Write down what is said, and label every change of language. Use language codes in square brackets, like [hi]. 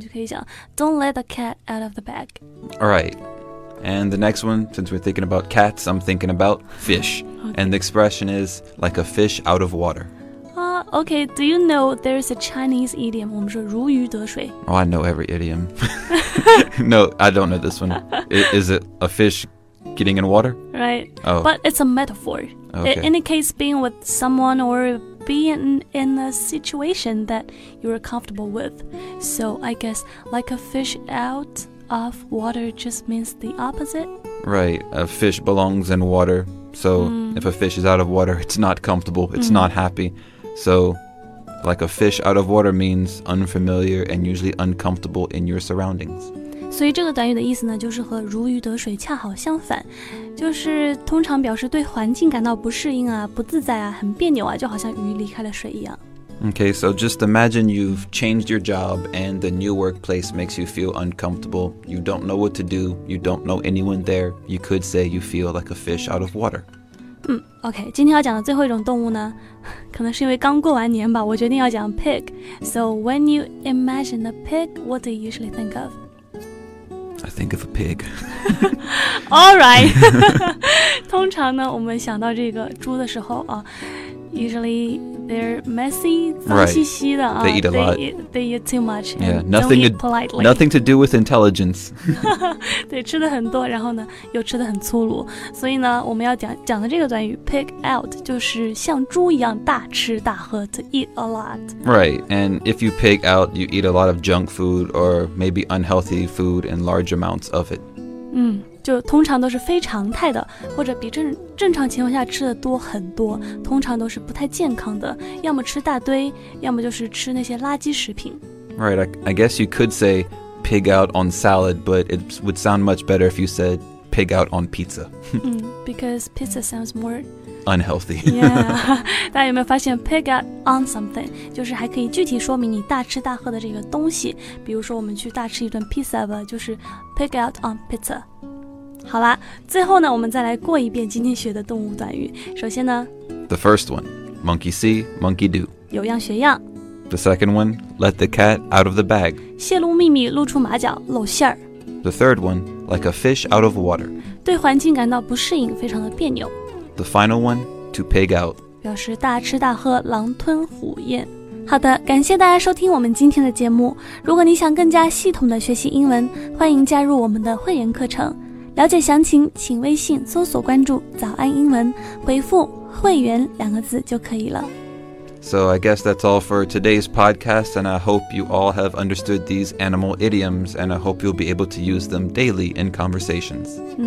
[zh] 你就可以讲 [en] ，Don't let the cat out of the bag. All right. And the next one, since we're thinking about cats, I'm thinking about fish. Okay. And the expression is like a fish out of water. Okay, do you know there's a Chinese idiom? [zh] 我们说如鱼得水。 [en] Oh, I know every idiom. No, I don't know this one. Is it a fish getting in water? Right. Oh. But it's a metaphor. Okay. It indicates being with someone or being in a situation that you're comfortable with. So I guess like a fish outOf water just means the opposite. Right, a fish belongs in water. So if a fish is out of water, it's not comfortable, it's not happy. So like a fish out of water means unfamiliar and usually uncomfortable in your surroundings. [zh] 所以这个短语的意思呢，就是和如鱼得水恰好相反，就是通常表示对环境感到不适应啊，不自在啊，很别扭啊，就好像鱼离开了水一样。 [en] Okay, so just imagine you've changed your job and the new workplace makes you feel uncomfortable. You don't know what to do. You don't know anyone there. You could say you feel like a fish out of water. [zh] Okay, 今天要讲的最后一种动物呢，可能是因为刚过完年吧，我决定要讲 pig. [en] So when you imagine a pig, what do you usually think of? I think of a pig. All right. [zh] 通常呢，我们想到这个猪的时候啊， [en] usually they're messy, [zh] 脏兮兮的、 [en] They eat a lot. They eat too much. Yeah, nothing, don't eat politely. Nothing to do with intelligence. [zh] 对，吃的很多，然后呢，又吃的很粗鲁。所以呢，我们要讲的这个短语 pig out 就是像猪一样大吃大喝 [en] to eat a lot. Right, and if you pig out, you eat a lot of junk food or maybe unhealthy food and large amounts of it. 嗯。 [zh] 就通常都是非常态的或者比 正常情况下吃的多很多通常都是不太健康的要么吃大堆要么就是吃那些垃圾食品 [en] Right, I guess you could say pig out on salad but it would sound much better if you said pig out on pizza Because pizza sounds more unhealthy [zh] Yeah, 大家有没有发现 [en] pig out on something [zh] 就是还可以具体说明你大吃大喝的这个东西比如说我们去大吃一顿 pizza 吧就是 [en] pig out on pizza [zh] 好啦最后呢我们再来过一遍今天学的动物短语首先呢 [en] The first one Monkey see, monkey do [zh] 有样学样 [en] The second one Let the cat out of the bag [zh] 泄露秘密露出马脚露馅儿 [en] The third one Like a fish out of water [zh] 对环境感到不适应非常的别扭 [en] The final one To pig out [zh] 表示大吃大喝狼吞虎咽好的感谢大家收听我们今天的节目如果你想更加系统的学习英文欢迎加入我们的会员课程了解详情请微信搜索关注早安英文回复会员两个字就可以了 [en] So I guess that's all for today's podcast and I hope you all have understood these animal idioms and I hope you'll be able to use them daily in conversations